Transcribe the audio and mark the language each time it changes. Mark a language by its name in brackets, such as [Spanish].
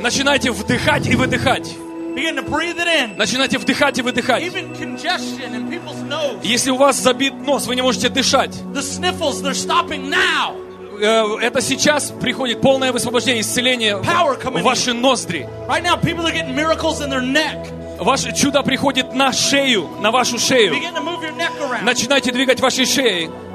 [Russian] Начинайте вдыхать и выдыхать. [English] Begin to breathe it in. [Russian] Начинайте вдыхать и выдыхать. [English] Even congestion in people's nose. [Russian] Если у вас забит нос, вы не можете дышать. [English] The sniffles, they're stopping now. [Russian] Это сейчас приходит полное высвобождение, исцеление в ваши ноздри. [English] Right now people are getting miracles in their neck. [Russian] Ваше чудо приходит на шею, на вашу шею. Начинайте двигать вашей шеей.